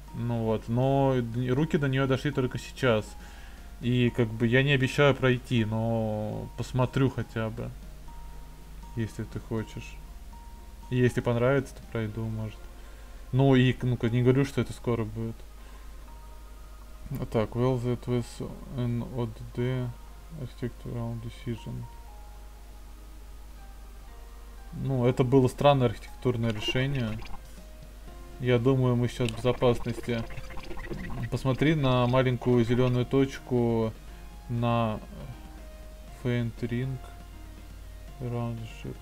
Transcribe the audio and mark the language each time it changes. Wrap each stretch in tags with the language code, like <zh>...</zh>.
<ru>Ну вот, но руки до нее дошли только сейчас. И как бы я не обещаю пройти, но посмотрю хотя бы. Если ты хочешь. Если понравится, то пройду, может. Ну и, ну-ка, не говорю, что это скоро будет.</ru> <en>Так, well, that was an ODD architectural decision.</en> <ru>Ну, это было странное архитектурное решение. Я думаю, мы сейчас в безопасности. Посмотри на маленькую зеленую точку на</ru> <en>faint ring around the ship.</en>